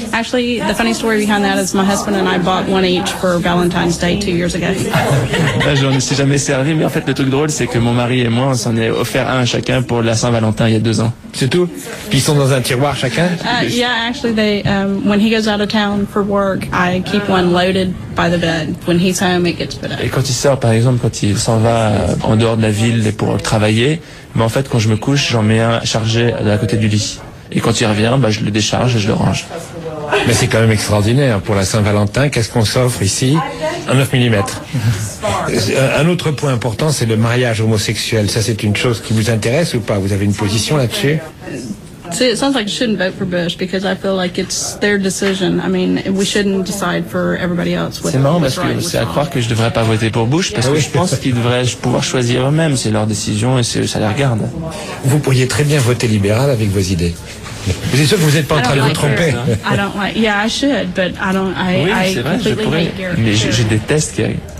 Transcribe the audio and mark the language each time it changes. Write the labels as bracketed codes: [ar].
[en] Actually, the funny story behind that is my husband and I bought one each for Valentine's Day 2 years ago. [fr] Là, je n'en suis jamais servi, mais en fait, le truc drôle, c'est que mon mari et moi, on s'en est offert un chacun pour la Saint-Valentin il y a 2 ans. C'est tout? Puis ils sont dans un tiroir chacun? [en] Yeah, actually, they, when he goes out of town for work, I keep one loaded by the bed. When he's home, it gets put up. [fr] Et quand il sort, par exemple, quand il s'en va en dehors de la ville pour travailler, mais en fait, quand je me couche, j'en mets un chargé à côté du lit. Et quand il revient, bah, je le décharge et je le range. Mais c'est quand même extraordinaire. Pour la Saint-Valentin, qu'est-ce qu'on s'offre ici? Un 9 mm. Un autre point important, c'est le mariage homosexuel. Ça, c'est une chose qui vous intéresse ou pas? Vous avez une position là-dessus? [en] See, it sounds like you shouldn't vote for Bush because I feel like it's their decision. I mean, we shouldn't decide for everybody else. [fr] C'est marrant parce que c'est à croire que je devrais pas voter pour Bush parce que je pense qu'ils devraient pouvoir choisir eux-mêmes. C'est leur décision et ça les regarde. Vous pourriez très bien voter libéral avec vos idées. Vous êtes sûr que vous n'êtes pas en train de vous tromper? [en] I don't like. Yeah, I should, but I don't. [fr] Oui, c'est vrai, je pourrais. Mais je déteste Gary.